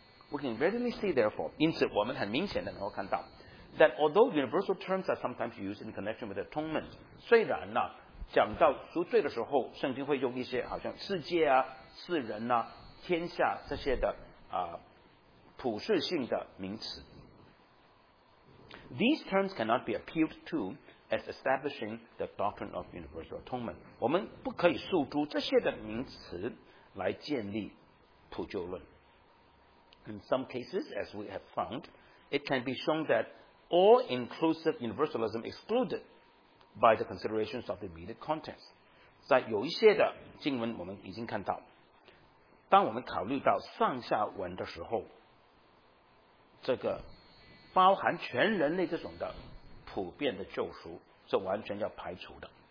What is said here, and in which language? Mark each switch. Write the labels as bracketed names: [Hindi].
[English] We can readily see therefore， [Chinese] 因此我们很明显的能够看到 [English] that although universal terms are sometimes used in connection with atonement， [Chinese] 虽然呢讲到赎罪的时候圣经会用一些好像世界啊世人啊天下这些的普世性的名词。 [English] These terms cannot be appealed to as establishing the doctrine of universal atonement， [Chinese] 我们不可以诉诸这些的名词来建立普救论。 [English] In some cases as we have found it can be shown that all inclusive universalism excluded by the considerations of the immediate context， [Chinese] 在有一些的经文我们已经看到当我们考虑到上下文的时候，这个包含全人类这种的普遍的救赎是完全要排除的。